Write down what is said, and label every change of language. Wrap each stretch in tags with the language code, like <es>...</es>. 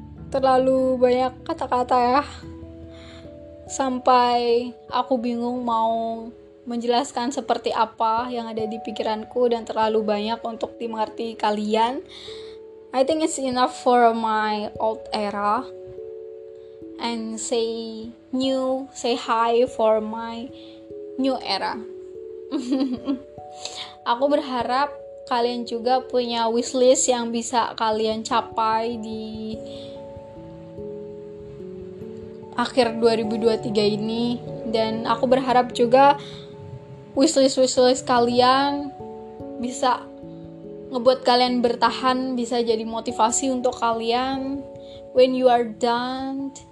<id>Terlalu banyak kata-kata ya, sampai aku bingung mau menjelaskan seperti apa yang ada di pikiranku, dan terlalu banyak untuk dimengerti kalian.</id> <en>I think it's enough for my old era, and say new, say hi for my new era.</en> <id>Aku berharap kalian juga punya wishlist yang bisa kalian capai di akhir 2023 ini, dan aku berharap juga wishlist-wishlist kalian bisa ngebuat kalian bertahan, bisa jadi motivasi untuk kalian</id> <en>when you are done.</en>